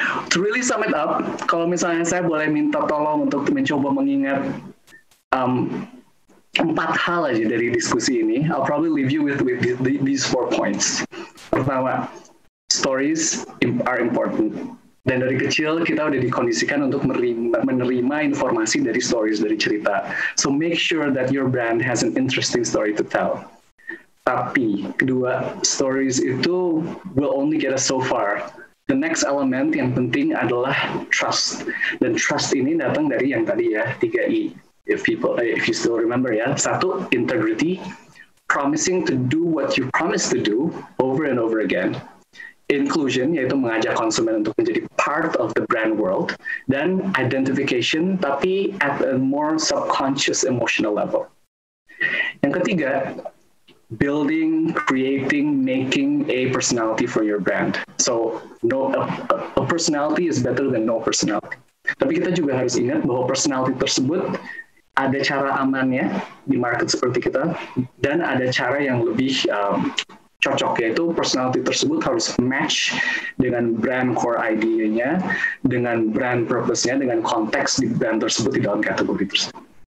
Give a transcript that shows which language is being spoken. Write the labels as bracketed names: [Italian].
[English] To really sum it up, [Indonesian] kalau misalnya saya boleh minta tolong untuk mencoba mengingat empat hal aja dari diskusi ini, [English] I'll probably leave you with these four points. [Indonesian] Pertama, [English] stories are important. [Indonesian] Dan dari kecil kita udah dikondisikan untuk menerima informasi dari stories, dari cerita. [English] So make sure that your brand has an interesting story to tell. [Indonesian] Tapi kedua, [English] stories itu will only get us so far. The next element [Indonesian] yang penting adalah trust. Dan trust ini datang dari yang tadi ya, 3E. [English] If you still remember ya. [Indonesian] Satu, [English] integrity. Promising to do what you promise to do over and over again. [Indonesian] Inclusion, yaitu mengajak konsumen untuk menjadi [English] part of the brand world. Dan identification, tapi at a more subconscious emotional level. [Indonesian] Yang ketiga, [English] building, creating, making a personality for your brand. So, a personality is better than no personality. [Indonesian] Tapi kita juga harus ingat bahwa personality tersebut ada cara amannya di market seperti kita, dan ada cara yang lebih cocok, yaitu personality tersebut harus match dengan brand core idea-nya, dengan brand purpose-nya, dengan konteks di brand tersebut di dalam kategori tersebut.